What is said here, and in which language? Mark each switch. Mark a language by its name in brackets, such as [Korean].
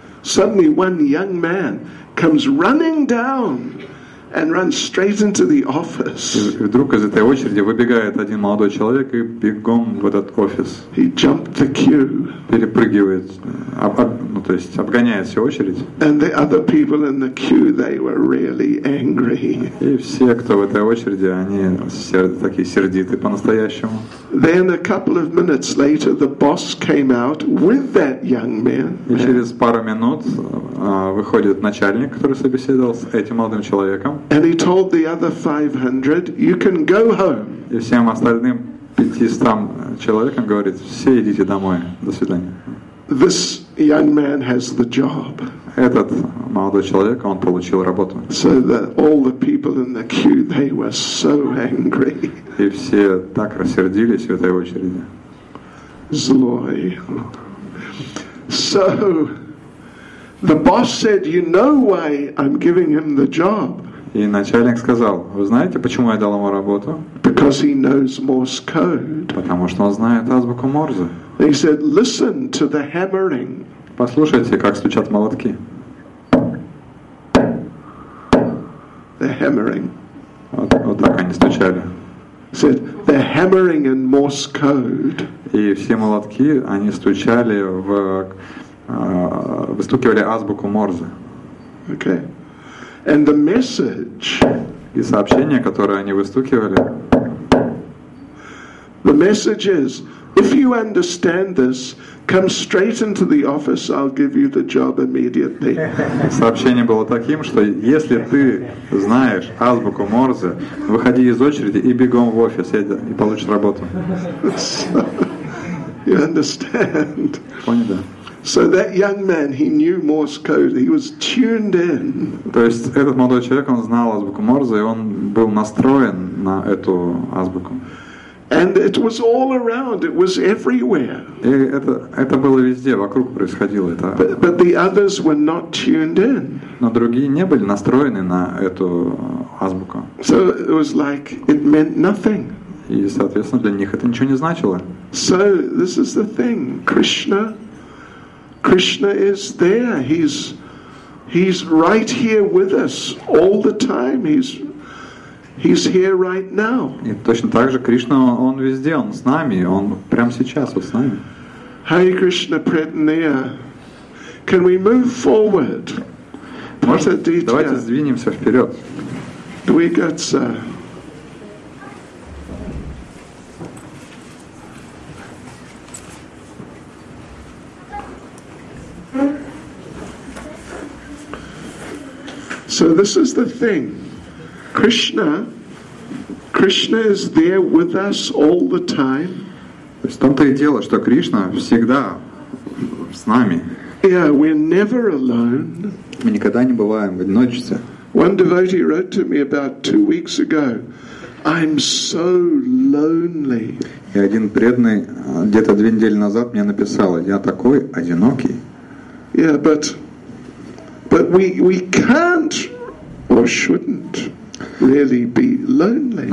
[English] Suddenly one young man comes running down and runs straight into the office. [Russian] И вдруг из этой очереди выбегает один молодой человек и бегом в этот офис. [English] He jumped the queue. [Russian] Перепрыгивает, ну, то есть обгоняет всю очередь. [English] And the other people in the queue, they were really angry. [Russian] И все, кто в этой очереди, они такие сердиты по-настоящему. [English] Then a couple of minutes later, the boss came out with that young man. [Russian] И через пару минут выходит начальник, который собеседовал с этим молодым человеком. [English] And he told the other 500, "You can go home." [Russian] И всем остальным 500 человекам говорит: "Все идите домой, до свидания." [English] This young man has the job. [Russian] Этот молодой человек, он получил работу. [English] So that all the people in the queue, they were so angry. [Russian] И все так рассердились в этой очереди. Злой. [English] So the boss said, "You know why I'm giving him the job?" [Russian] И начальник сказал: "Вы знаете, почему я дал ему работу?" [English] Because he knows Morse code. [Russian] Потому что он знает азбуку Морзе. [English] He said, "Listen to the hammering." [Russian] Послушайте, как стучат молотки. [English] The hammering. [Russian] Вот так они стучали. [English] He said, "The hammering in Morse code." [Russian] И все молотки, они стучали в выстукивали азбуку Морзе. [English] Okay. And the message. [Russian] И сообщение, которое они выстукивали. [English] The message is: if you understand this, come straight into the office. I'll give you the job immediately. [Russian] Сообщение было таким, что если ты знаешь азбуку Морзе, выходи из очереди и бегом в офис и получишь работу. [English] You understand? [Russian] Понял, да. [English] So that young man, he knew Morse code. He was tuned in. [Russian] То есть этот молодой человек, он знал азбуку Морзе, и он был настроен на эту азбуку. [English] And it was all around. It was everywhere. [Russian] И это было везде, вокруг происходило это. [English] But the others were not tuned in. [Russian] Но другие не были настроены на эту азбуку. [English] So it was like it meant nothing. [Russian] И соответственно для них это ничего не значило. [English] So this is the thing, Krishna. Krishna is there. He's right here with us all the time. He's here right now. [Russian] И точно так же Кришна, он везде, он с нами, он прямо сейчас вот с нами. [English] Hare Krishna Pratnaya. Can we move forward? [Russian] Давайте сдвинемся вперед. Двигаться. [English] So this is the thing. Krishna is there with us all the time. [Russian] То есть там-то и дело, что Кришна всегда с нами. [English] Yeah, we're never alone. [Russian] Мы никогда не бываем в одиночестве. [English] One devotee wrote to me about 2 weeks ago. I'm so lonely. [Russian] И один преданный где-то 2 недели назад мне написал: я такой одинокий. [English] Yeah, but we can't or shouldn't really be lonely.